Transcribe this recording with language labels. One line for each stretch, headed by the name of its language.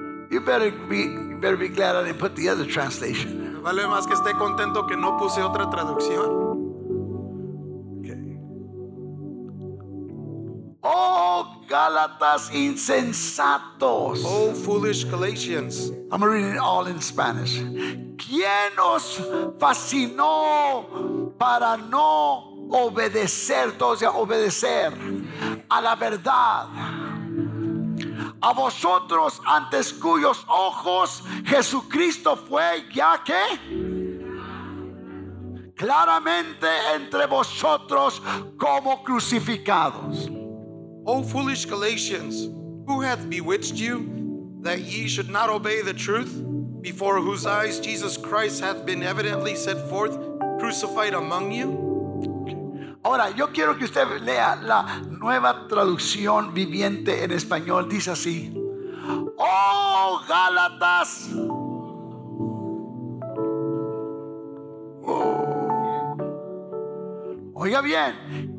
English: You better be glad I didn't put the other translation.
Spanish: Vale más que esté contento que no puse otra traducción. Oh, Galatas insensatos.
English: Oh, foolish Galatians. I'm reading it all in Spanish.
Spanish: ¿Quién os fascinó para no obedecer, o sea, obedecer a la verdad? A vosotros, antes cuyos ojos Jesucristo fue ya que claramente entre vosotros como crucificados.
English: O foolish Galatians, who hath bewitched you that ye should not obey the truth, before whose eyes Jesus Christ hath been evidently set forth, crucified among you?
Spanish: Ahora, yo quiero que usted lea la nueva traducción viviente en español. Dice así. Oh, Gálatas. Oh. Oiga bien.